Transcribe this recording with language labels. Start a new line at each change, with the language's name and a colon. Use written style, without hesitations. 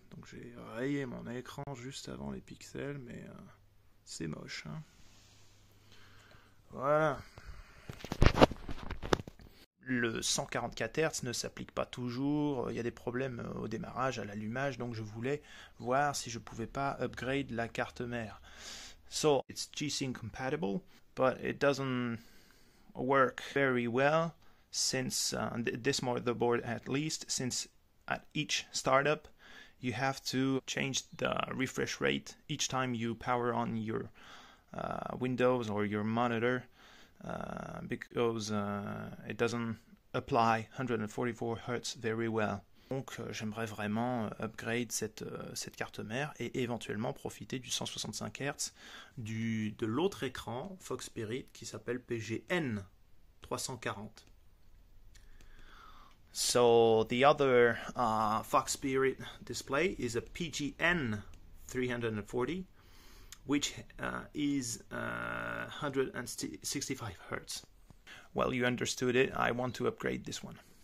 French: Donc j'ai rayé mon écran juste avant les pixels, mais c'est moche. Hein? Voilà. Le 144 Hz ne s'applique pas toujours. Il y a des problèmes au démarrage, à l'allumage. Donc je voulais voir si je pouvais pas upgrade la carte mère.
English: So it's G-Sync compatible, but it doesn't work very well since this motherboard, at least, since at each startup you have to change the refresh rate each time you power on your Windows or your monitor, because it doesn't apply 144 Hz very well.
French: Donc j'aimerais vraiment upgrade cette carte mère et éventuellement profiter du 165 Hz de l'autre écran Fox Spirit qui s'appelle PGM340.
English: So the other Fox Spirit display is a PGM340, which is 165 Hz. Well, you understood it. I want to upgrade this one.